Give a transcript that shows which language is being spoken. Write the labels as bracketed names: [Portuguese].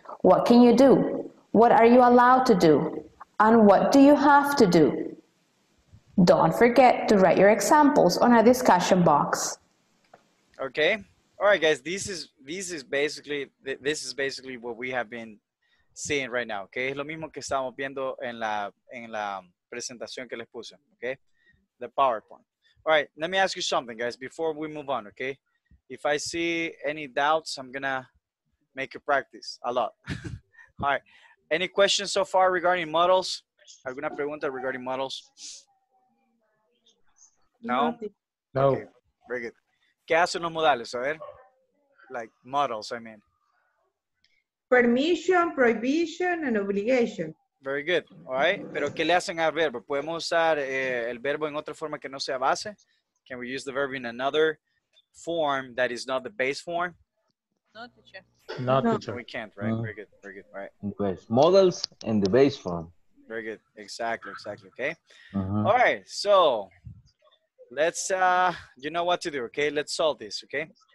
[English] What can you do? What are you allowed to do? And what do you have to do? Don't forget to write your examples on our discussion box. Okay. All right, guys. This is basically what we have been seeing right now. Okay. [Spanish] Es lo mismo que estamos viendo en la presentación que les puse. [English] Okay. The PowerPoint. All right. Let me ask you something, guys, before we move on. Okay. If I see any doubts, I'm going to make you practice a lot. All right. Any questions so far regarding models? [Spanish] ¿Alguna pregunta [English] regarding models? No? No. Okay, very good. [Spanish] ¿Qué hacen los modales? A ver. [English] Like models, I mean. Permission, prohibition, and obligation. Very good. All right. [Spanish] ¿Pero qué le hacen al verbo? ¿Podemos usar el verbo en otra forma que no sea base? [English] Can we use the verb in another form that is not the base form? No, teacher. We can't, right? No. Very good. All right. Yes. Models and the base form. Very good. Exactly. Okay. Uh-huh. All right. So let's, you know what to do. Okay. Let's solve this. Okay.